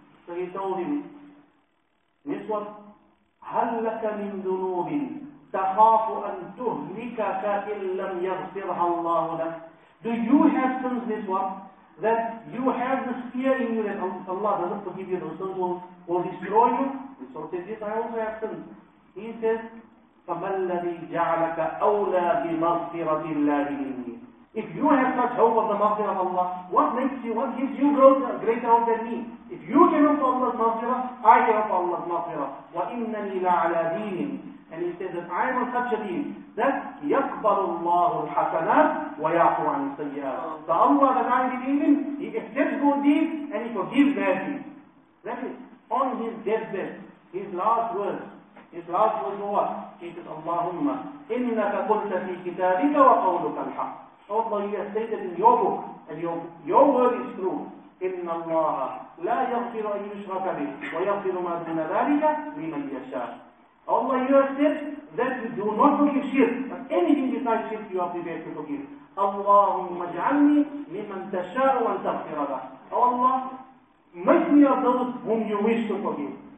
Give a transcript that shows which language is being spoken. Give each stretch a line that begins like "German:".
English: So he told him, Miswar,
Arabic: هل لك من ذنوب تخاف أن تهلكك إن لم يغفرها الله لك؟
English: Do you have sins, Miswar, that you have this fear in you that Allah doesn't forgive you, those sins will destroy you? Miswar says, yes, I also have sins. He says,
Arabic: فَمَنْ لَذِي جَعْلَكَ أَوْلَى بِمَغْفِرَةِ اللَّهِ مِنِّي.
English: If you have such hope of the maghfirah of Allah, what makes you, what gives you greater hope than me? If you can hope for Allah's maghfirah, I can hope for Allah's maghfirah.
Arabic: وَإِنَّنِي لَعَلَى دِينٍ.
English: And he says that I am on such a deen that
Arabic: يَقْبَلُ اللَّهُ الْحَسَنَاتِ وَيَعْفُ عَنِ السَّيِّئَاتِ.
English: The Allah that I am believing, he accepts good deeds and he forgives bad deeds. That is, on his deathbed, his last words were what? He says,
Arabic: اللهم إِنَّكَ قُلْتَ فِي كِتَابِكَ وَقَوْلُكَ الْحَقِّ.
English: Allah, you have stated in your book, and your word is true.
Arabic: إِنَّ اللَّهَ لَا يَغْفِرُ أَن يُشْرَكَ بِهِ وَيَغْفِرُ مَا دُونَ ذَلِكَ لِمَنْ يَشَاءُ.
English: Allah, you have said that you do not forgive shirk, but anything besides shirk you are prepared to forgive.
Arabic: اللَّهُمَّ اجْعَلْنِي لِمَنْ تَشَاءُ وَأَنْ تَغْفِرَ لَهُ.
English: Allah, make me of those whom you wish to forgive.